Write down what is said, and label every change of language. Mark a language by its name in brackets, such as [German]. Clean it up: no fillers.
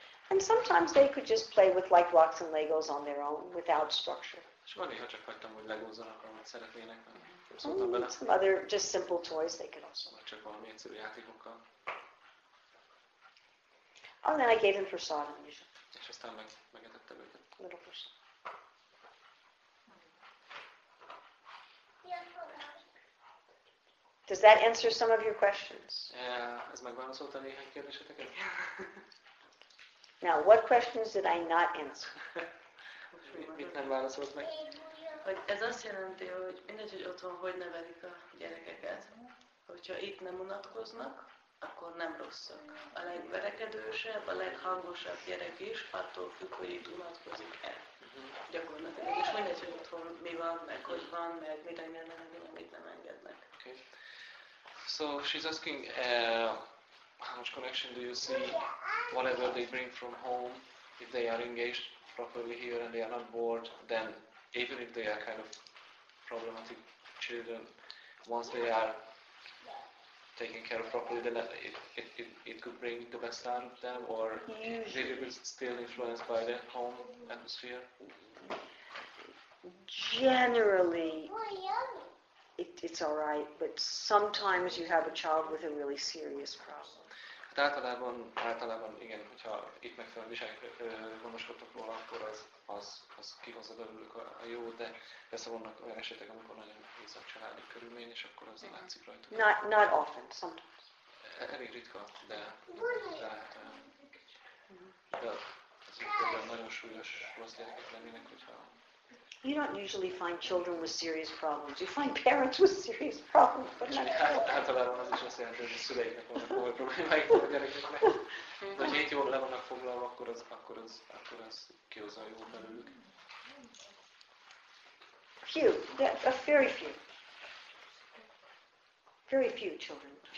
[English] And sometimes they could just play with like rocks and Legos on their own without structure. [Hungarian] És van néha csak hagytam, hogy legózzanak, amit szeretnének, mert nem szóltam bele. [English] Some other just simple toys they could also. [Hungarian] Vagy csak valami egyszerű játékokkal. [English] Oh, and then I gave him prasad on Yusha. [Hungarian] És aztán megetettem őket. [English] Little prasad. Does that answer some of your questions? [Hungarian] Yeah, ez megválaszolta néhány kérdéseteket? [English] Now, what questions did I not answer? [Hungarian] Mit nem válaszolt meg? Hogy ez azt jelenti, hogy mindegy, hogy otthon hogy nevelik a gyerekeket. Hogyha itt nem unatkoznak, akkor nem rosszak. A legverekedősebb, a leghangosabb gyerek is attól függ, hogy itt unatkozik-e. Gyakorlatilag. És mindegy, hogy otthon mi van, meg hogy van, meg mire nem engednek, meg mit nem engednek. [English] Okay. So she's asking, how much connection do you see whatever they bring from home, if they are engaged properly here and they are not bored, then even if they are kind of problematic children, once they are taken care of properly, then it could bring the best out of them, or usually they will be still influenced by the home atmosphere? Generally, it's all right, but sometimes you have a child with a really serious problem. [Hungarian] Általában igen, hogyha itt megfelelően gondoskodtok róla, akkor az kihozza belőlük a jó, de persze vannak olyan esetek, amikor nagyon nehéz a családi körülmény, és akkor az látszik rajta. [English] Not often, sometimes. [Hungarian] Elég ritka, de az ügyben nagyon súlyos rossz gyerekek lennének, hogyha... [English] You don't usually find children with serious problems. You find parents with serious problems, but not [Hungarian] Általában az is azt jelenti, hogy a szüleiknek vannak komoly problémáik a gyerekeknek. Hogy hét jól le vannak foglalva, akkor az kihozza a jó belőlük. [English] Few, a very few. Very few children.